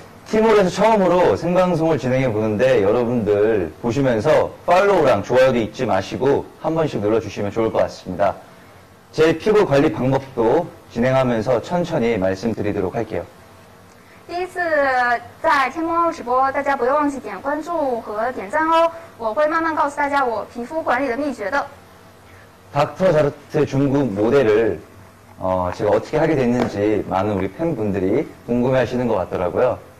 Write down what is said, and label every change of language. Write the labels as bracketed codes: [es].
[ko] 티몰에서 처음으로 생방송을 진행해 보는데 여러분들 보시면서 팔로우랑 좋아요도 잊지 마시고 한 번씩 눌러주시면 좋을 것 같습니다. 제 피부 관리 방법도 진행하면서 천천히 말씀드리도록 할게요. [zh] 第一次在天猫直播，大家不要忘记点关注和点赞哦。我会慢慢告诉大家我皮肤管理的秘诀的。 [ko] 닥터 다르트 중국 모델을 제가 어떻게 하게 됐는지 많은 우리 팬분들이 궁금해하시는 것 같더라고요.